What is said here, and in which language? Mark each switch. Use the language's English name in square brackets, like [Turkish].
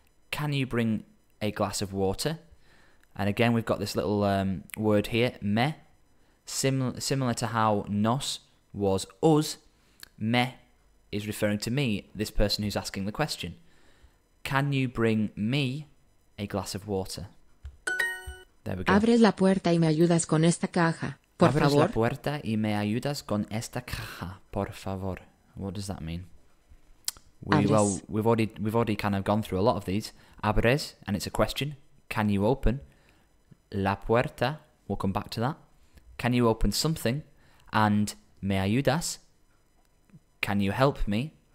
[English] Can you bring a glass of water? And again, we've got this little word here, me. Similar to how nos was us, me is referring to me, this person who's asking the question. Can you bring me a glass of water? There we go. [Spanish] Abres la puerta y me ayudas con esta caja, por Abres favor. Abres la puerta y me ayudas con esta caja, por favor. [English] What does that mean? We've already kind of gone through a lot of these. Abres, and it's a question. Can you open? La puerta, we'll come back to that. Can you open something? And me ayudas, can you help me?